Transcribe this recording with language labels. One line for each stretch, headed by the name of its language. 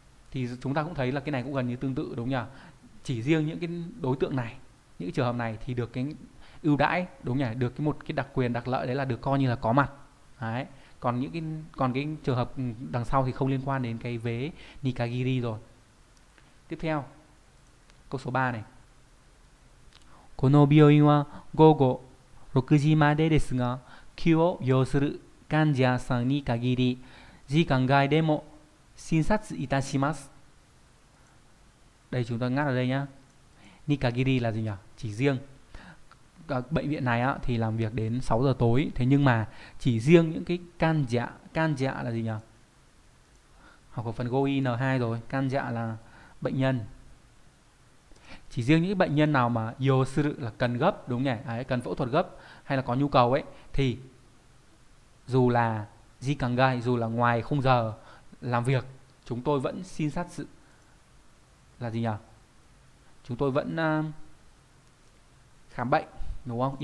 Vietnamese: Thì chúng ta cũng thấy là cái này cũng gần như tương tự đúng nhỉ, chỉ riêng những cái đối tượng này, những cái trường hợp này thì được cái ưu đãi đúng nhỉ, được cái một cái đặc quyền đặc lợi đấy là được coi như là có mặt đấy, còn những cái còn cái trường hợp đằng sau thì không liên quan đến cái vế nikagiri. Rồi tiếp theo câu số 3 này.
Japanese: この病院は午後6時までですが、急を要する患者さんに限り、時間外でも診察いたします。
Vietnamese: Đây chúng ta ngắt ở đây nhá. Nikagiri là gì nhỉ? Chỉ riêng. Bệnh viện này á, thì làm việc đến 6 giờ tối. Thế nhưng mà chỉ riêng những cái can dạ là gì nhỉ? Học ở phần Goi N2 rồi. Can dạ là bệnh nhân. Chỉ riêng những bệnh nhân nào mà yếu sự là cần gấp đúng nhỉ, đấy, cần phẫu thuật gấp hay là có nhu cầu ấy, thì dù là gì càng gai, dù là ngoài khung giờ làm việc, chúng tôi vẫn xin sát sự là gì nhỉ, chúng tôi vẫn khám bệnh đúng không.